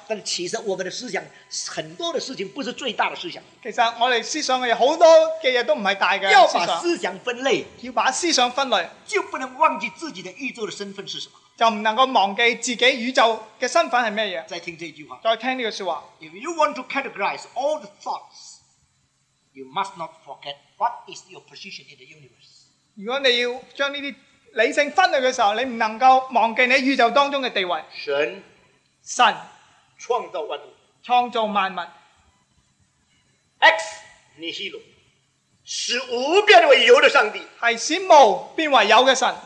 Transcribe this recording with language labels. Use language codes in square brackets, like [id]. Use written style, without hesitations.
[zh] 但其实我们的思想很多的事情不是最大的思想，其实我们思想的很多的事都不是大的。要把思想分类，要把思想分类，就不能忘记自己的宇宙的身份是什么，就不能够忘记自己宇宙的身份是什么。再听这句话，再听这个说话。 [en] If you want to categorize all the thoughts, you must not forget what is your position in the universe。 [zh] 如果你要将这些理性分类的时候，你不能够忘记你宇宙当中的地位。神，神创造万物，创造万物。 X nihilo 使无变为有的上帝，是使无变为有的神。